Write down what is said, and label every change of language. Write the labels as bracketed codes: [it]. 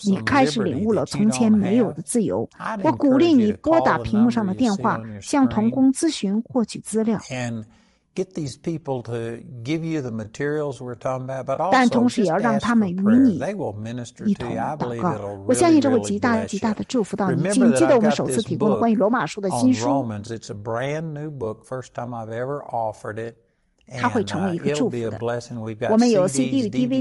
[zh] 你开始领悟了从前没有的自由。我鼓励你拨打屏幕上的电话，向同工咨询获取资料。 [en] Get these people to give you the materials we're talking about, but also [zh] 但同时也要让他们与你一同祷告。 [en] They will minister to you. I believe it'll really, really bless you. [zh] 极大的祝福到你。记得我们首次提供的关于罗马书的新书。 [en] On Romans, it's a brand new book. First time I've ever offered it. [zh] 它会成为一个祝福的。 [en] It'll be a blessing. We've got CDs, DVDs, we've got DVDs,